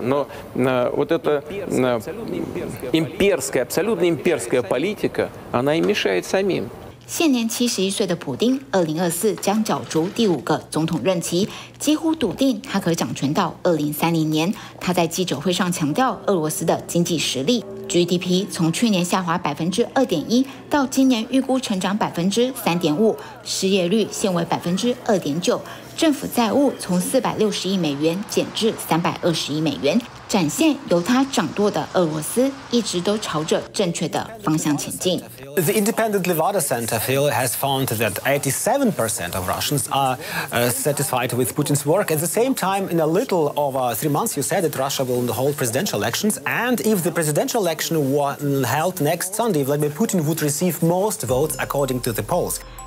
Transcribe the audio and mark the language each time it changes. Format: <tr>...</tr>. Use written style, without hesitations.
<ru>Но вот эта имперская, абсолютно имперская политика, она им мешает самим.</ru> <zh>现年71岁的普丁，2024将角逐第五个总统任期，几乎笃定他可掌权到2030年。他在记者会上强调，俄罗斯的经济实力 GDP 从去年下滑2.1%到今年预估成长3.5%，失业率现为2.9%，政府债务从460亿美元减至320亿美元，展现由他掌舵的俄罗斯一直都朝着正确的方向前进。</zh> <en>The independent Levada Center, Phil, has found that 87% of Russians are satisfied with Putin's work. At the same time, in a little over 3 months, you said that Russia will hold presidential elections. And if the presidential election were held next Sunday, Vladimir Putin would receive most votes according to the polls.</en>